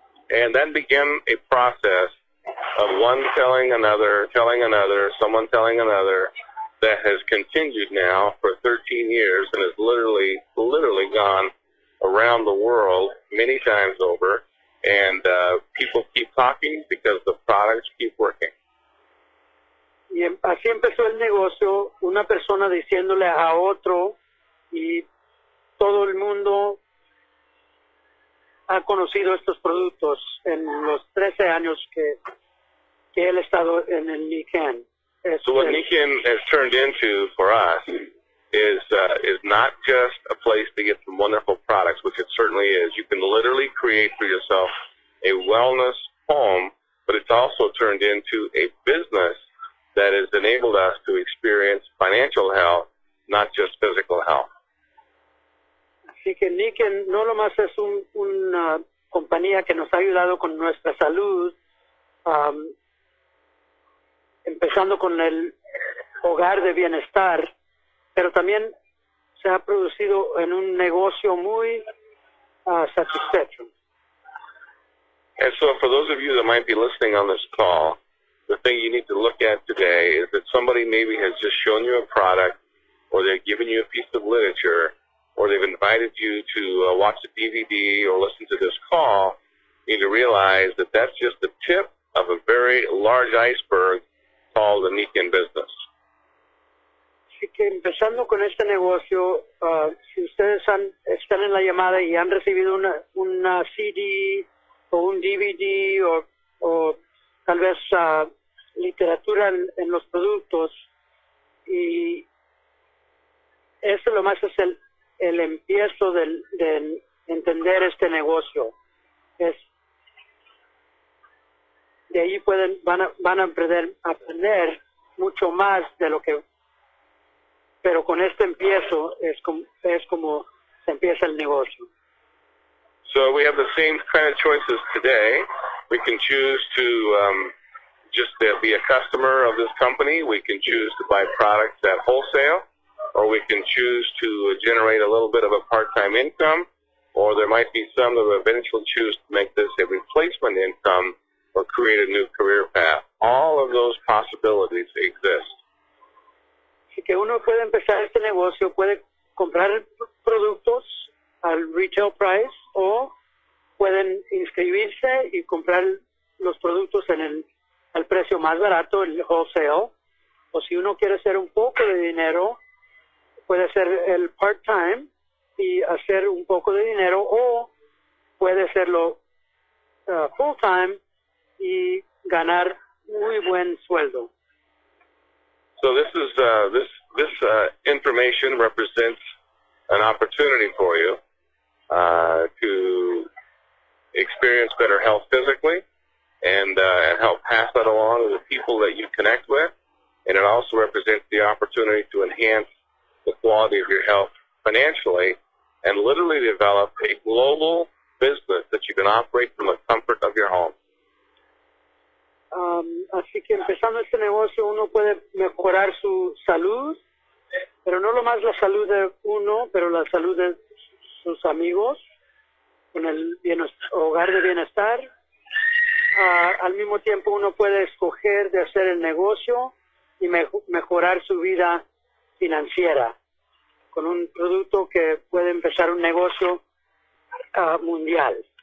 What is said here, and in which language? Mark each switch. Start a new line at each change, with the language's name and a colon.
English: And then began a process of one telling another, someone telling another, that has continued now for 13 years and has literally gone around the world many times over. And people keep talking because the products keep working.
Spanish: Y así empezó el negocio, una persona diciéndole a otro, y todo el mundo ha conocido estos productos en los 13 años que él ha estado en el Nikan.
English: So what Nikan has turned into for us is not just a place to get some wonderful products, which it certainly is. You can literally create for yourself a wellness home, but it's also turned into a business that has enabled us to experience financial health, not just physical health.
Spanish: Así que Nikan no lo más es una compañía que nos ha ayudado con nuestra salud, empezando con el hogar de bienestar, pero también se ha producido en un negocio muy satisfecho.
English: And so for those of you that might be listening on this call, the thing you need to look at today is that somebody maybe has just shown you a product, or they've given you a piece of literature, or they've invited you to watch a DVD or listen to this call, you need to realize that that's just the tip of a very large iceberg called the Nikan business.
Spanish: Así que empezando con este negocio, si ustedes están en la llamada y han recibido una CD o un DVD o tal vez literatura en los productos, y esto lo más es el empiezo de entender este negocio. De ahí van a aprender mucho más de lo que, pero con este empiezo es como se empieza el negocio.
English: So we have the same kind of choices today. We can choose to just be a customer of this company. We can choose to buy products at wholesale, or we can choose to generate a little bit of a part-time income, or there might be some that eventually choose to make this a replacement income or create a new career path. All of those possibilities exist.
Spanish: Así que uno puede empezar este negocio, puede comprar productos al retail price, o pueden inscribirse y comprar los productos en el al precio más barato, el wholesale. O si uno quiere hacer un poco de dinero, puede hacer el part-time y hacer un poco de dinero, o puede hacerlo full-time y ganar muy buen sueldo.
English: So this is this information represents an opportunity for you to experience better health physically and help pass that along to the people that you connect with, and it also represents the opportunity to enhance the quality of your health financially and literally develop a global business that you can operate from the comfort of your home.
Spanish: Así que empezando este negocio, uno puede mejorar su salud, pero no lo más la salud de uno, pero la salud de sus amigos, con el hogar de bienestar. Al mismo tiempo, uno puede escoger de hacer el negocio y mejorar su vida financiera con un producto que puede empezar un negocio mundial.